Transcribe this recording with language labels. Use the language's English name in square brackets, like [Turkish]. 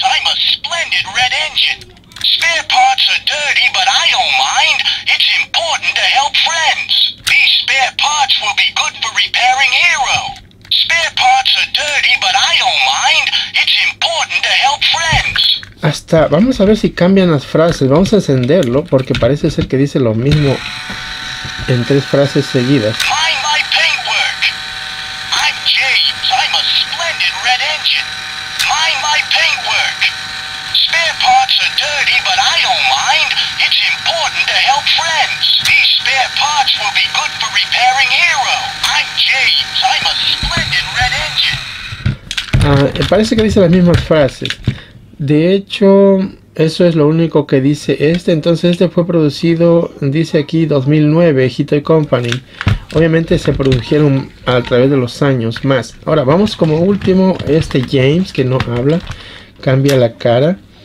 [English] I'm a splendid red engine. Spare parts are dirty, but I don't mind. It's important to help friends. These spare parts will be good for repairing Hero. Spare parts are dirty, but I don't mind. It's important to help friends. [Spanish] Hasta, vamos a ver si cambian las frases. Vamos a encenderlo porque parece ser que dice lo mismo en tres frases seguidas. [English] Mind my paintwork. I'm James. I'm a splendid red engine. Mind my paintwork. Spare parts are dirty, but I don't mind. It's important to help friends. These spare parts will be good for repairing Hero. I'm James. I'm a splendid red engine. [Spanish] Parece que dice las mismas frases. De hecho, eso es lo único que dice este. Entonces, este fue producido, dice aquí, 2009, Hito y Company. Obviamente se produjeron a través de los años más. Ahora, vamos como último, este James, que no habla, cambia la cara.